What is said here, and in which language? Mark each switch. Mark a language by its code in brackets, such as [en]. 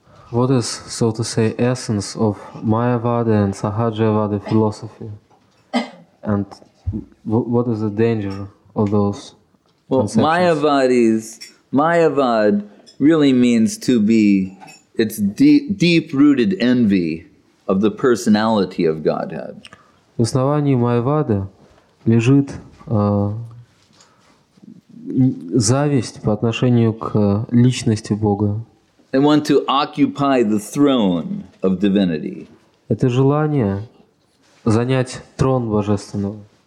[en] What is, so to say, essence of Mayavada and Sahajavada philosophy? And what is the danger of those conceptions? Well, Mayavad really means to be, it's deep-rooted envy of the personality of Godhead. [ru] В основании Майявады лежит зависть по отношению к личности Бога. [en] They want to occupy the throne of divinity. [ru] Это желание занять трон божественного.